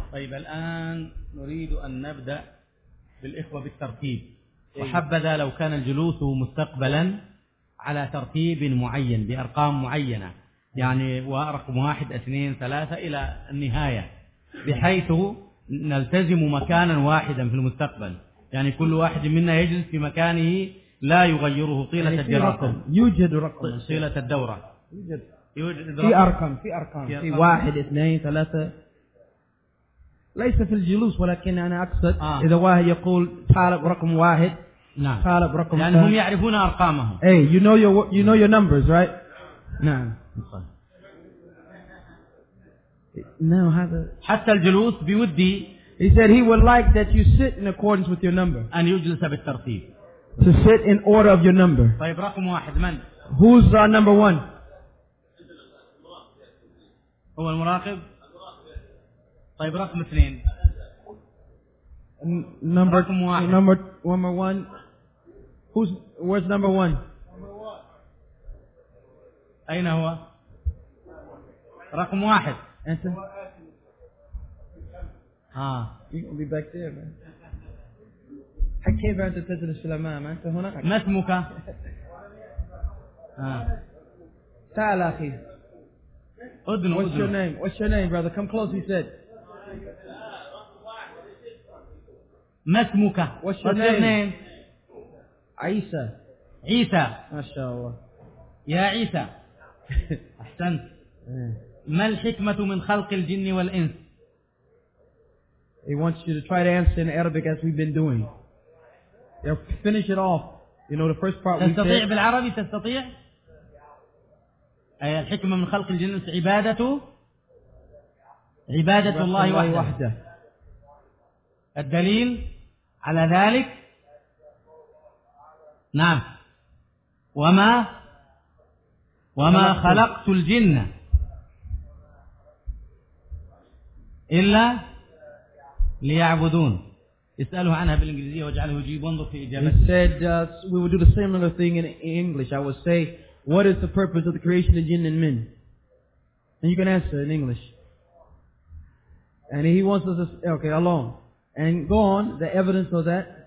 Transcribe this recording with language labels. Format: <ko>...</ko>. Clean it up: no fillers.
<ar>طيب الآن نريد أن نبدأ بالإخوة بالترتيب وحبذا لو كان الجلوس مستقبلا على ترتيب معين بأرقام معينة يعني ورقم 1, 2, 3 إلى النهاية بحيث نلتزم مكانا واحدا في المستقبل يعني كل واحد منا يجلس في مكانه لا يغيره طيلة الدراسة يوجد رقم طيلة الدورة يوجد في أرقام في أرقام في 1, 2, 3 ليس في الجلوس ولكن أنا أقصد إذا واحد يقول طالب رقم واحد نعم. طالب رقم يعني هم يعرفون أرقامهم.</ar> <en>Hey, you know your numbers, right?</en> <ar>نعم. نعم هذا. حتى الجلوس بودي</ar> <en>He said he would like that you sit in accordance with your number.</en> <ar>أن يجلس بالترتيب.</ar> <en>To sit in order of your number.</en> <ar>طيب رقم واحد من؟</ar> <en>Who's our number one?</en> <ar>هو المراقب. طيب رقم اثنين.</ar> <en>Number one. Where's number one?</en> <ar>أين هو؟ رقم واحد. أنت. ها.</ar> <en>You can be back there, man.</en> <ar>حكى بعد تزل السلام ما أنت هنا. ما اسمك؟ ها. تعال أخي. أذن.</ar> <en>What's your name? What's your name, brother? Come close. He said.</en> <ar>ما اسمك؟</ar> <en>What's your name? عيسى.</en> <ar>عيسى. ما شاء الله. يا عيسى. أحسنت. ما الحكمة من خلق الجن والإنس؟</ar> <en>He wants you to try to answer in Arabic as we've been doing. Yeah, finish it off. You know the first part we said.</en> <ar>تستطيع بالعربي تستطيع؟ أي الحكمة من خلق الجن عبادته؟ عبادة الله وحده. الدليل على ذلك؟ نعم. وما خلقت الجن إلا ليعبدون. اسأله عنها بالإنجليزية واجعله يجيب وانظر في إجابته.</ar> <en>He said, we will do the similar thing in English. I will say, what is the purpose of the creation of jinn and men? And you can answer in English. And he wants us to say, okay, alone. And go on, the evidence of that.</en>